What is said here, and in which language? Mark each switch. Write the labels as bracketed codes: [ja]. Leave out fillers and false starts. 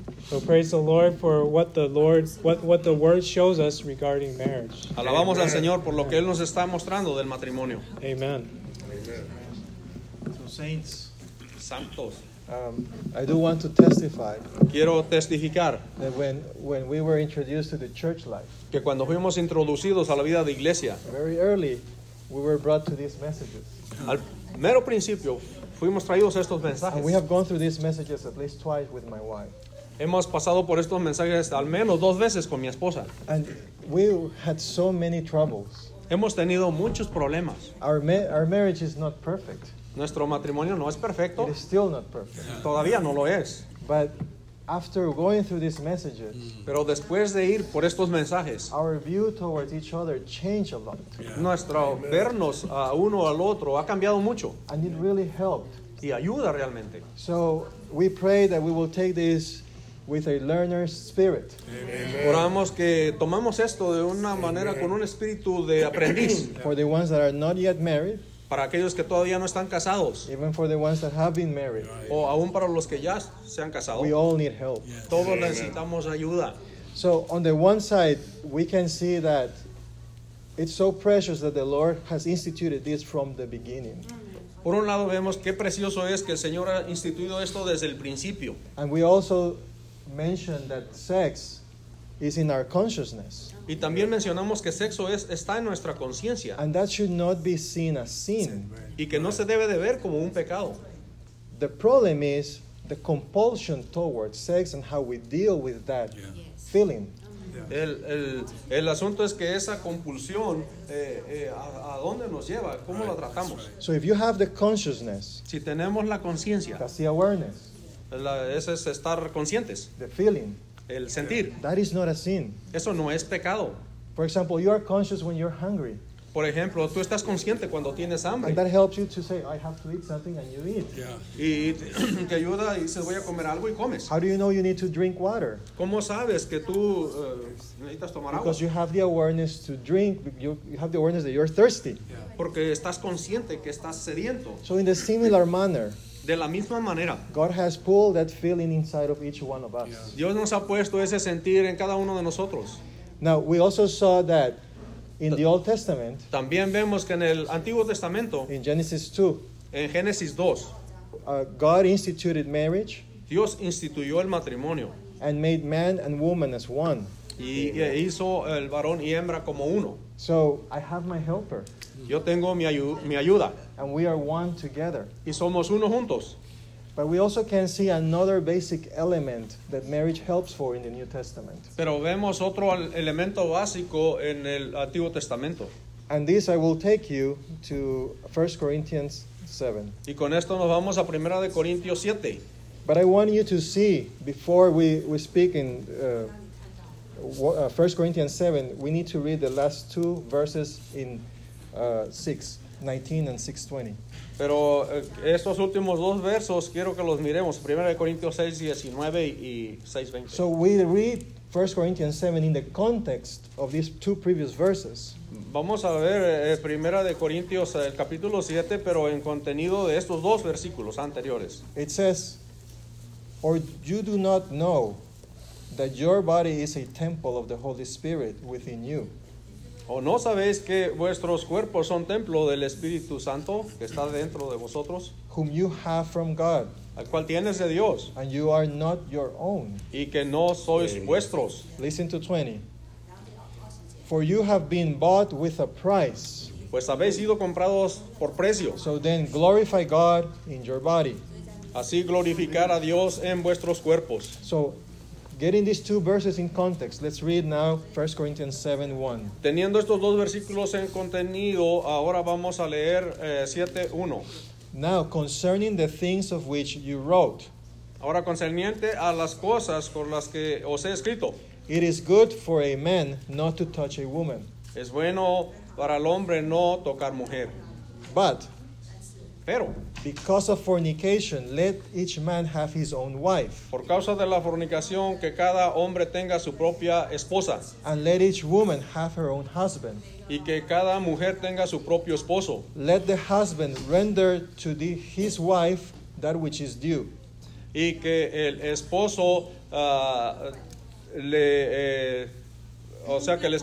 [en] So praise the Lord for what the word shows us regarding marriage. [es] Alabamos al Señor por lo que él nos está mostrando del matrimonio. [en] Amen. Amen. So saints, [es] santos. [en] I do want to testify. [es] Quiero testificar [en] that when we were introduced to the church life. [es] Que cuando fuimos introducidos a la vida de iglesia. [en] Very early, we were brought to these messages. [es] Al mero principio fuimos traídos estos mensajes. [en] And we have gone through these messages at least twice with my wife. [es] Hemos pasado por estos mensajes al menos dos veces con mi esposa. [en] And we had so many troubles. [es] Hemos tenido muchos problemas. [en] Our marriage is not perfect. [es] Nuestro matrimonio no es perfecto. [en] It is still not perfect. [es] Todavía no lo es. [en] But After going through these messages, [es] pero después de ir por estos mensajes, [en] our view towards each other changed a lot. [es] Nuestro vernos a uno al otro ha cambiado mucho. [en] And it really helped. [es] Y ayuda realmente. [en] So we pray that we will take this with a learner's spirit. [es] Amen. Oramos que tomamos esto de una Amen. Manera con un espíritu de aprendiz. [en] For the ones that are not yet married. [es] Para aquellos que todavía no están casados. [en] Even for the ones that have been married. [es] O aún para los que ya se han casado. [en] We all need help. Yes. [es] Todos Amen. Necesitamos ayuda. [en] So on the one side, we can see that it's so precious that the Lord has instituted this from the beginning. [es] Por un lado vemos qué precioso es que el Señor ha instituido esto desde el principio. [en] And we also mention that sex is in our consciousness. [es] Y también mencionamos que sexo es, está en nuestra conciencia. [en] And that should not be seen as sin. [es] Y que no se debe de ver como un pecado. [en] The problem is the compulsion towards sex and how we deal with that feeling. [es] El asunto es que esa compulsión, ¿a dónde nos lleva? ¿Cómo la tratamos? [en] So if you have the consciousness, [es] si tenemos la conciencia, [en] that's the awareness. [es] Ese es estar conscientes. [en] The feeling. [es] El sentir. [en] That is not a sin. [es] Eso no es pecado. [en] For example, you are conscious when you're hungry. [es] Por ejemplo, tú estás consciente cuando tienes hambre. [en] And that helps you to say, I have to eat something and you eat. Yeah. [es] Y te ayuda y dices, voy a comer algo y comes. [en] How do you know you need to drink water? [es] ¿Cómo sabes que tú necesitas tomar agua? [en] Because you have the awareness to drink. You have the awareness that you're thirsty. Yeah. [es] Porque estás consciente que estás sediento. [en] So in the similar manner, [es] de la misma manera, [en] God has pulled that feeling inside of each one of us. Yeah. [es] Dios nos ha puesto ese sentir en cada uno de nosotros. [en] Now, we also saw that in the Old Testament. [es] También vemos que en el Antiguo Testamento, [en] in Genesis 2. [es] En Génesis 2. [en] God instituted marriage. [es] Dios instituyó el matrimonio. [en] And made man and woman as one. [es] Y hizo el varón y hembra como uno. [en] So, I have my helper. [es] Yo tengo mi ayuda. [en] And we are one together. [es] Y somos uno juntos. [en] But we also can see another basic element that marriage helps for in the New Testament. [es] Pero vemos otro elemento básico en el Antiguo Testamento. [en] And this I will take you to 1 Corinthians 7. [es] Y con esto nos vamos a 1 de Corintios 7. [en] But I want you to see, before we speak in 1 Corinthians 7, we need to read the last two verses in 6:19 and 6:20. [es] Pero estos últimos dos versos quiero que los miremos. 1 Corintios 6:19 y 6:20. [en] So we read 1 Corinthians 7 in the context of these two previous verses. [es] Vamos a ver 1 de Corintios el capítulo 7, pero en contenido de estos dos versículos anteriores. [en] It says, or you do not know that your body is a temple of the Holy Spirit within you. [es] ¿O no sabéis que vuestros cuerpos son templo del Espíritu Santo que está dentro de vosotros? [en] Whom you have from God. [es] Al cual tienes de Dios. [en] And you are not your own. [es] Y que no sois vuestros. [en] Listen to 20. For you have been bought with a price. [es] Pues habéis sido comprados por precio. [en] So then glorify God in your body. [es] Así glorificar a Dios en vuestros cuerpos. [en] So, getting these two verses in context, let's read now 1 Corinthians 7, 1. [es] Teniendo estos dos versículos en contenido, ahora vamos a leer 7, 1. [en] Now, concerning the things of which you wrote. [es] Ahora, concerniente a las cosas con las que os he escrito. [en] It is good for a man not to touch a woman. [es] Es bueno para el hombre no tocar mujer. [en] But, [es] pero, [en] because of fornication, let each man have his own wife. [es] Por causa de la fornicación, que cada hombre tenga su propia esposa. [en] And let each woman have her own husband. [es] Y que cada mujer tenga su propio esposo. [en] Let the husband render to his wife that which is due. [es] Y que el esposo le o sea que les